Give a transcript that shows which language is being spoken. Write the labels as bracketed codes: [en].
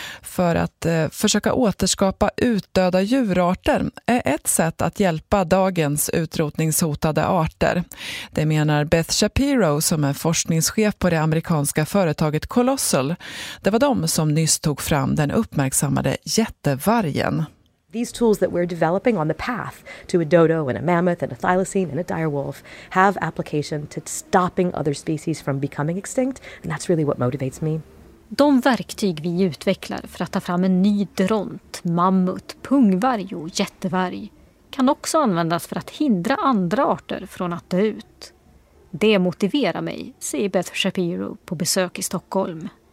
[sv] För att försöka återskapa utdöda djurarter är ett sätt att hjälpa dagens utrotningshotade arter. Det menar Beth Shapiro, som är forskningschef på det amerikanska företaget Colossal. Det var de som nyss tog fram den uppmärksammade jättevargen. [en] These tools that we're developing on the path to a dodo and a mammoth and a thylacine and a direwolf have application to stopping other species from becoming extinct, and that's really what motivates me. [sv] De verktyg vi utvecklar för att ta fram en ny dront, mammut, pungvarg och jättevarg kan också användas för att hindra andra arter från att dö ut. Det motiverar mig, säger Beth Shapiro på besök i Stockholm.